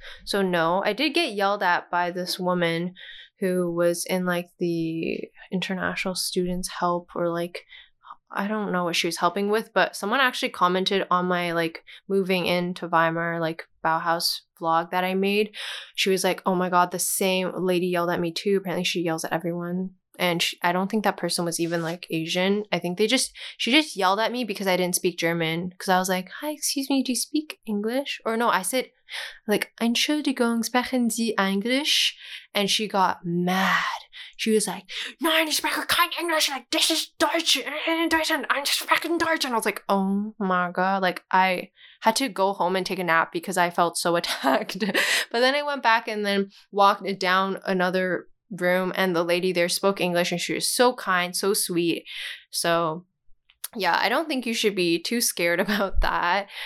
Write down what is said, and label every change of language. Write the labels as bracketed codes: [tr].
[en] So no, I did get yelled at by this woman who was in like the international students help, or like, I don't know what she was helping with, but someone actually commented on my like moving into Weimar, like Bauhaus vlog that I made. She was like, oh my god, the same lady yelled at me too. Apparently she yells at everyone. And I don't think that person was even like Asian. I think she just yelled at me because I didn't speak German. Because I was like, hi, excuse me, do you speak English? Or no, I said like, [de] Entschuldigung, sprechen Sie Englisch? [en] And she got mad. She was like, [de] nein, ich spreche kein Englisch. [en] Like, this is Deutsch. [de] Ich spreche Deutsch. [en] And I was like, oh my god. Like, I had to go home and take a nap because I felt so attacked. But then I went back and then walked down another room, and the lady there spoke English, and she was so kind, so sweet. So yeah, I don't think you should be too scared about that.